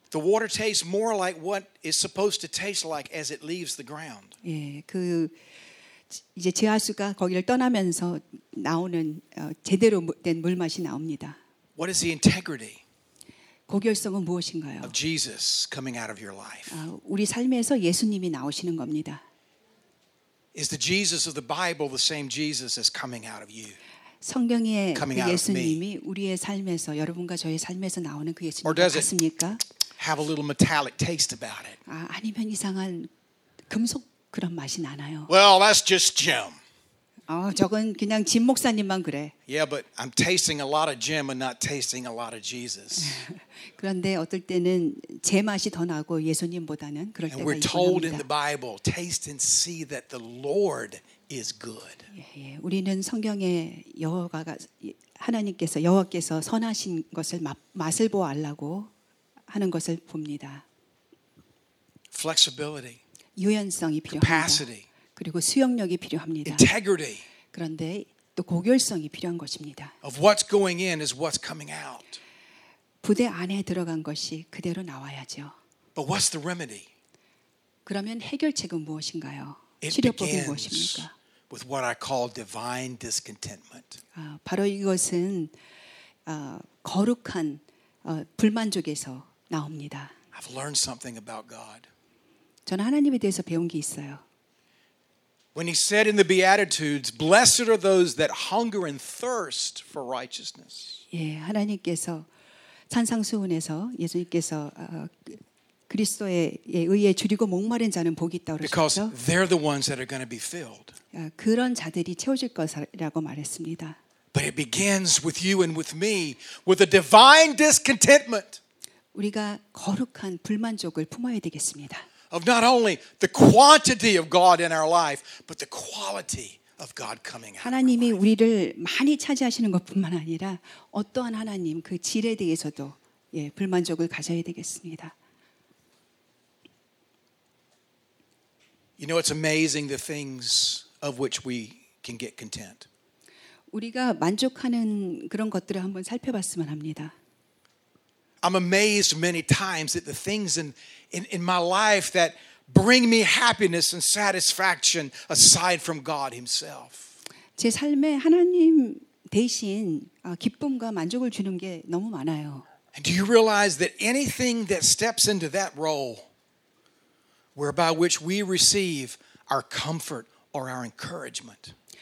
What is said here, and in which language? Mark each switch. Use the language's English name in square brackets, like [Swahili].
[English] The water tastes more like what is supposed to taste like as it leaves the ground. [Korean] 예, 그 이제 지하수가 거기를 떠나면서 나오는 제대로 된 물 맛이 나옵니다. [English] What is the integrity? [Korean] 고결성은 무엇인가요? [English] Of Jesus coming out of your life. [Korean] 우리 삶에서 예수님이 나오시는 겁니다. [English] Is the Jesus of the Bible the same Jesus as coming out of you? [Korean] 성경의 coming 그 예수님이 우리의 삶에서 여러분과 저의 삶에서 나오는 그 예수님 맞습니까? [English] Have a little metallic taste about it. [Korean] 아, 아니면 이상한 금속 그런 맛이 나나요? [English] Well, that's just Jim. [Korean] 아, 저건 그냥 진 목사님만 그래. [English] Yeah, but I'm tasting a lot of Jim and not tasting a lot of Jesus. [Korean] 그런데 어떨 때는 제 맛이 더 나고 예수님보다는 그럴 때가 있어요. [English] And we're told in the Bible, taste and see that the Lord is good. [Korean] 예, 우리는 성경에 여호와가 하나님께서 여호와께서 선하신 것을 맛을 보아 알라고 하는 것을 봅니다. [English] Flexibility. [Korean] 유연성이 필요합니다. [English] Capacity. [Korean] 그리고 수용력이 필요합니다. [English] Integrity. [Korean] 그런데 또 고결성이 필요한 것입니다. [English] Of what's going in is what's coming out. [Korean] 부대 안에 들어간 것이 그대로 나와야죠. [English] But what's the remedy? [Korean] 그러면 해결책은 무엇인가요? [English] It [Korean] 치료법이 무엇입니까? [English] With what I call divine discontentment. [Korean] 바로 이것은 거룩한 불만족에서 나옵니다. [English] I've learned something about God. [Korean] 저는 하나님에 대해서 배운 게 있어요. [English] When he said in the Beatitudes, "Blessed are those that hunger and thirst for righteousness." [Korean] 예, 하나님께서 산상수훈에서 예수님께서 그리스도의 의에 주리고 목마른 자는 복이 있다고 그러셨죠. [English] Because they're the ones that are going to be filled. [Korean] 그런 자들이 채워질 것이라고 말했습니다. [English] But it begins with you and with me, with a divine discontentment. [Korean] 우리가 거룩한 불만족을 품어야 되겠습니다. [English] Of not only the quantity of God in our life, but the quality of God coming out. [Korean] 하나님이 우리를 많이 차지하시는 것뿐만 아니라 어떠한 하나님 그 질에 대해서도 예 불만족을 가져야 되겠습니다. [English] You know, it's amazing the things of which we can get content. [Korean] 우리가 만족하는 그런 것들을 한번 살펴봤으면 합니다. [English] I'm amazed many times at the things in my life that bring me happiness and satisfaction aside from God Himself. [Korean] 제 삶에 하나님 대신 기쁨과 만족을 주는 게 너무 많아요. [English] And do you realize that anything that steps into that role, whereby which we receive our comfort or our encouragement?